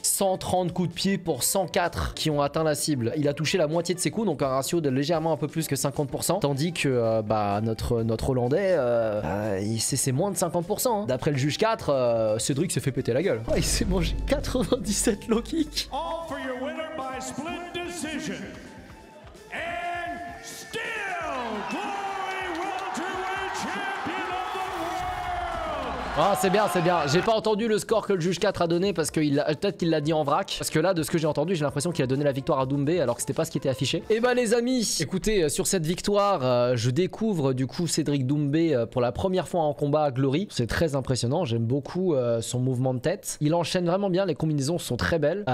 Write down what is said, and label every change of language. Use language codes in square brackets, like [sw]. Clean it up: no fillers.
[fr] 130 coups de pied pour 104 qui ont atteint la cible. Il a touché la moitié de ses coups, donc un ratio de légèrement un peu plus que 50%. Tandis que, notre Hollandais, c'est moins de 50%. Hein. D'après le juge 4, Cédric s'est fait péter la gueule. Oh, il s'est mangé 97 low kick. [en] All for your winner by split decision. And still glory welterweight champion of the world. [fr] Ah, c'est bien. J'ai pas entendu le score que le juge 4 a donné parce que peut-être qu'il l'a dit en vrac. Parce que là, de ce que j'ai entendu, j'ai l'impression qu'il a donné la victoire à Doumbé alors que c'était pas ce qui était affiché. Et bah les amis, écoutez, sur cette victoire, je découvre du coup Cédric Doumbé pour la première fois en combat à Glory. C'est très impressionnant, j'aime beaucoup son mouvement de tête. Il enchaîne vraiment bien, les combinaisons sont très belles.